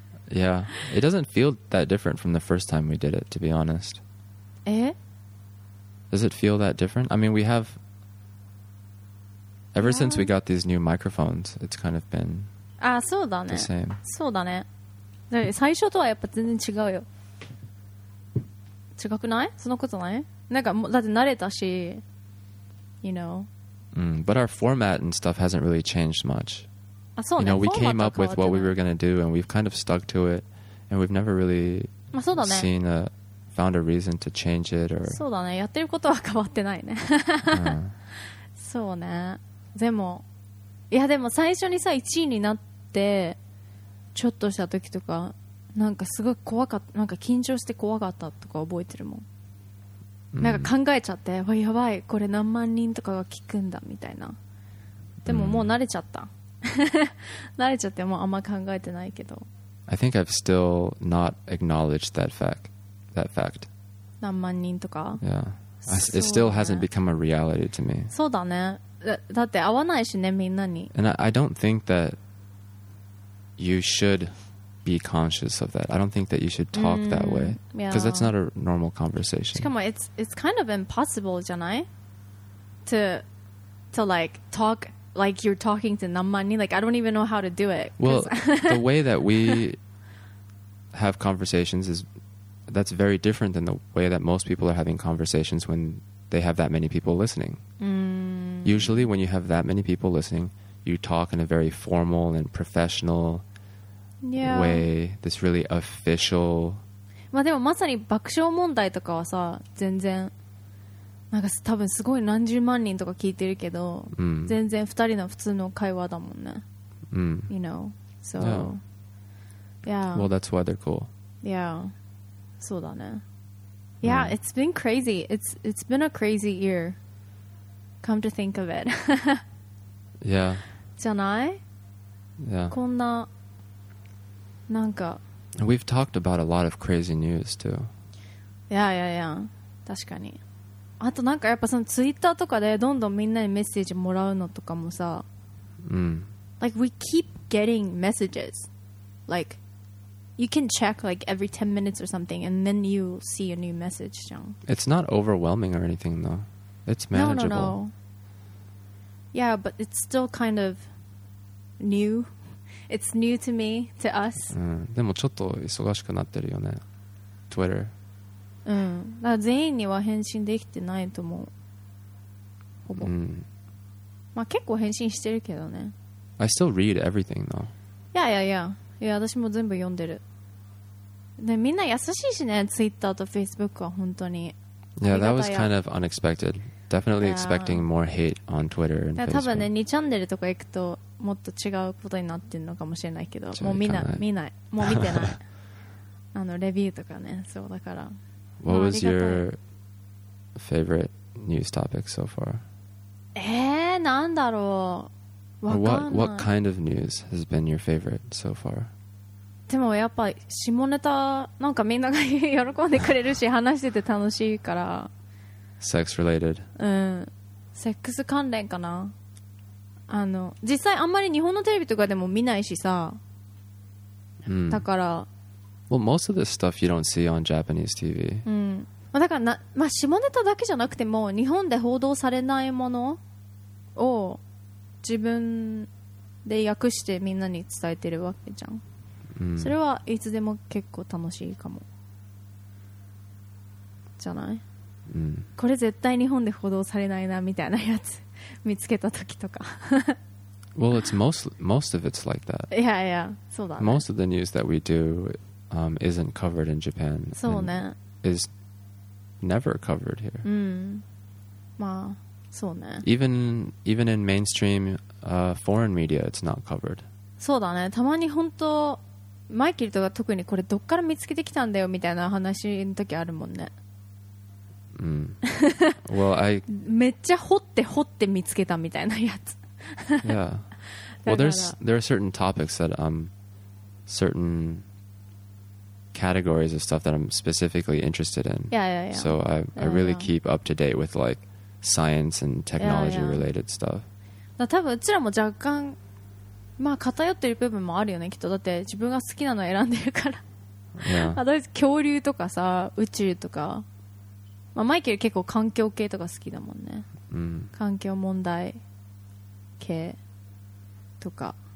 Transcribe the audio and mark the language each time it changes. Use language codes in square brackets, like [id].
[en] Yeah, it doesn't feel that different from the first time we did it, to be honest. Eh? Does it feel that different? I mean, we have... Ever since we got these new microphones, it's kind of been the same. [ja] そうだね。で、最初とはやっぱ全然違うよ。違くない?そのことない?なんか、だって慣れたし、 [en] you know. But our format and stuff hasn't really changed much. [ja] あ、そうね。 [en] You know, we came up with what we were going to do, and we've kind of stuck to it, and we've never really [ja] まあそうだね。 [en] seen a found a reason to change it or [ja] そうだね、やってることは変わってないね。そうね。でも、いやでも最初にさ1位になってちょっとした時とかなんかすごい怖かった、なんか緊張して怖かったとか覚えてるもん。なんか考えちゃって、うん、やばいこれ何万人とかが聞くんだみたいな。でももう慣れちゃった。慣れちゃってもうあんま考えてないけど。 [en] I think I've still not acknowledged that fact. That fact. [ja] 何万人とか。 [en] Yeah. I, it still hasn't become a reality to me. [ja] そうだね。だって会わないしねみんなに。 [en] And I don't think that you should be conscious of that. I don't think that you should talk that way. Because that's not a normal conversation. [ja] しかも [en] it's kind of impossible [ja] じゃない [en] to like talk like you're talking to [ja] 何万人. [en] Like I don't even know how to do it. Well, the way that we have conversations is that's very different than the way that most people are having conversations when they have that many people listening. Usually when you have that many people listening, you talk in a very formal and professional way, this really official. [ja] まあでもまさに爆笑問題とかはさ全然なんか多分すごい何十万人とか聞いてるけど、全然二人の普通の会話だもんね。 [en] You know, so yeah. Well, that's why they're cool. Yeah, [ja] そうだね。 [en] Yeah, it's been crazy. It's been a crazy year. Come to think of it. Yeah. [ja] じゃない? [en] Yeah. [ja] こんな、なんか。 [en] We've talked about a lot of crazy news too. Yeah, yeah, yeah. [ja] 確かに。あとなんかやっぱそのツイッターとかでどんどんみんなにメッセージもらうのとかもさ。 [en] Like we keep getting messages. Like you can check like every 10 minutes or something and then you see a new message. It's not overwhelming or anything though. It's manageable. No, no, no. Yeah, but it's still kind of new. It's new to me, to us. [ja] でもちょっと忙しくなってるよね。 [en] Twitter. [ja] だから全員には返信できてないと思う。ほぼ。まあ結構返信してるけどね。 [en] I still read everything though. Yeah, yeah, yeah. [ja] いや、私も全部読んでる。で、みんな優しいしね、Twitter と Facebook は本当に。 [en] Yeah, that was kind of unexpected. Definitely expecting more hate on Twitter and Facebook. [ja] 多分ね、2チャンネルとか行くと、もっと違うことになってるのかもしれないけど、もう見ない、見ない。もう見てない。あの、レビューとかね、そうだから。 [en] What was your favorite news topic so far? [ja] なんだろう。 [en] What kind of news has been your favorite so far? [ja] でもやっぱ下ネタなんかみんなが喜んでくれるし話してて楽しいから。 [en] Sex related. [ja] セックス関連かな。あの実際あんまり日本のテレビとかでも見ないしさ。だから。 [en] Well, most of this stuff you don't see on Japanese TV. [ja] だからな、まあ、下ネタだけじゃなくても日本で報道されないものを自分で訳してみんなに伝えてるわけじゃん。それはいつでも結構楽しいかもじゃない、これ絶対日本で報道されないなみたいなやつ見つけた時とか。 [en] Well, it's most of it's like that. Yeah, yeah, [ja] そうだね。 [en] Most of the news that we dodisn't covered in Japan. [ja] そうね。 [en] Is never covered here. [ja] まあ、そうね。 [en] Even in mainstream, foreign media, it's not covered. [ja] そうだね。たまに本当、マイケルとか特にこれどっから見つけてきたんだよみたいな話の時あるもんね。 [en] Well, I [ja] めっちゃ掘って見つけたみたいなやつ。 [en] Yeah. Well, there are certain topics that certain categories of stuff that I'm specifically interested in. Yeah, yeah, yeah. So I really keep up to date with like science and technology related stuff. [ja] だ多分うちらも若干まあ偏ってる部分もあるよねきっと。だって自分が好きなの選んでるから。 [en] Yeah. [ja] 私恐竜とかさ宇宙とか。まあマイケル結構環境系とか好きだもんね。環境問題系とか。